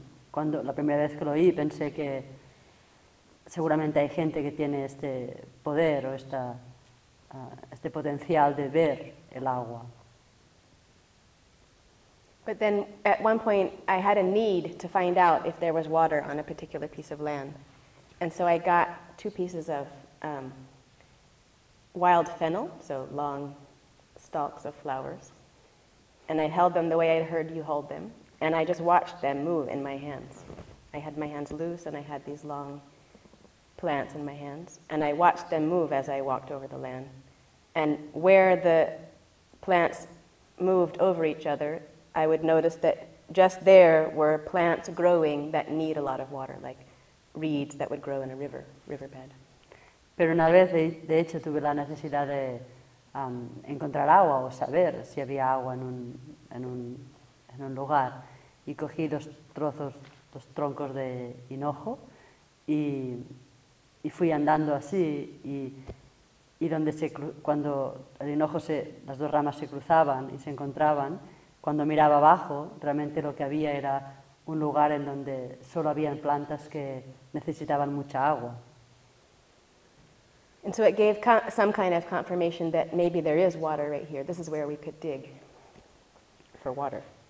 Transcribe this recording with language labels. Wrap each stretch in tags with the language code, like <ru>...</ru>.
<es>Cuando la primera vez que lo oí, pensé que seguramente hay gente que tiene este poder o esta, este potencial de ver el agua.</es> <en>But then at one point I had a need to find out if there was water on a particular piece of land. And so I got two pieces of wild fennel, so long stalks of flowers. And I held them the way I'd heard you hold them. And I just watched them move in my hands. I had my hands loose and I had these long plants in my hands. And I watched them move as I walked over the land. And where the plants moved over each other, I would notice that just there were plants growing that need a lot of water, like reeds that would grow in a riverbed.</en> <es>Pero una vez, de hecho, tuve la necesidad de encontrar agua o saber si había agua en un lugar. Y cogí dos trozos, dos troncos de hinojo y fui andando así y donde se, cuando el hinojo se, las dos ramas se cruzaban y se encontraban, cuando miraba abajo, realmente lo que había era un lugar en donde solo habían plantas que necesitaban mucha agua.</es> <en>And so it gave some kind of confirmation that maybe there is water right here. This is where we could dig for water.</en>